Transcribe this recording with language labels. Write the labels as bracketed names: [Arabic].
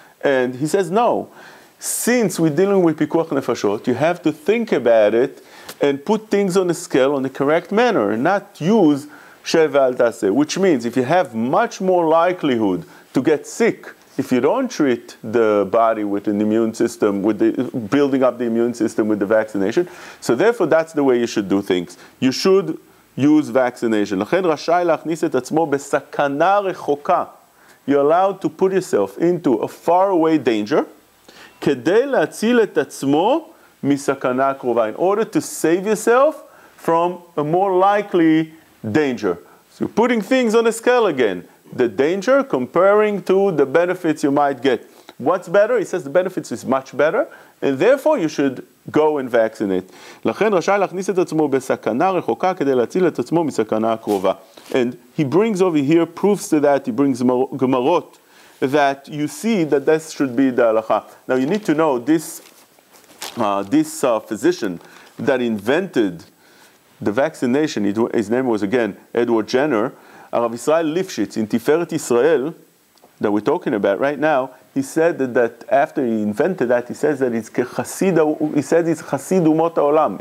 [English] And he says no. Since we're dealing with pikuach nefashot, you have to think about it and put things on the scale in the correct manner, and not use sheva al ta'aseh. Which means if you have much more likelihood to get sick if you don't treat the body with an immune system, with the building up the immune system with the vaccination. So therefore, that's the way you should do things. You should use vaccination. [Hebrew] לכן רשאי להכניס את עצמו בסכנה רחוקה. [English] You're allowed to put yourself into a faraway danger [Hebrew] כדי להציל את עצמו מסכנה קרובה, [English] in order to save yourself from a more likely danger. So you're putting things on a scale again. The danger comparing to the benefits you might get. What's better? He says the benefits is much better, and therefore you should go and vaccinate. [Hebrew] לכן רשאי להכניס את עצמו בסכנה רחוקה כדי להציל את עצמו מסכנה קרובה. [English] And he brings over here proofs to that. He brings gemarot that you see that this should be the halakha. Now you need to know this physician that invented the vaccination. His name was again Edward Jenner. הרב ישראל ליפשיץ, in Tiferet Israel, that we're talking about right now, he said that after he invented that, he says that it's כחסיד, he says it's חסיד אומות העולם.